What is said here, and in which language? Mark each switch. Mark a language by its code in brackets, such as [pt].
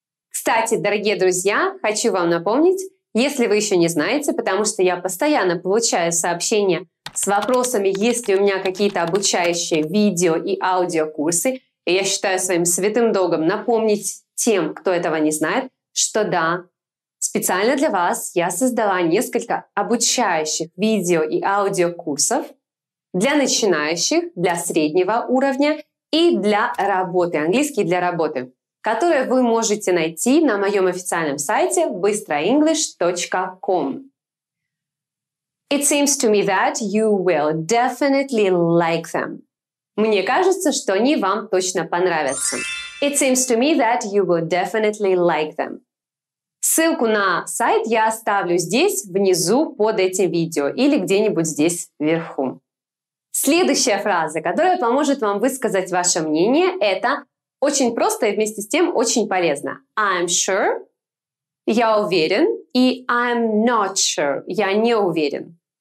[ru] Кстати, дорогие друзья, хочу вам напомнить, если вы еще не знаете, потому что я постоянно получаю сообщения с вопросами, есть ли у меня какие-то обучающие видео и аудиокурсы, и я считаю своим святым долгом напомнить тем, кто этого не знает, что да, специально для вас я создала несколько обучающих видео и аудиокурсов для начинающих, для среднего уровня и для работы, английский для работы, которые вы можете найти на моем официальном сайте быстроенглиш.com. [en] It seems to me that you will definitely like them. [ru] Мне кажется, что они вам точно понравятся. [en] It seems to me that you will definitely like them. [ru] Ссылку на сайт я оставлю здесь, внизу, под этим видео, или где-нибудь здесь, вверху. Следующая фраза, которая поможет вам высказать ваше мнение, это очень просто и вместе с тем очень полезно. [en] I'm sure, [ru] я уверен, и [en] I'm not sure, [ru] я не уверен.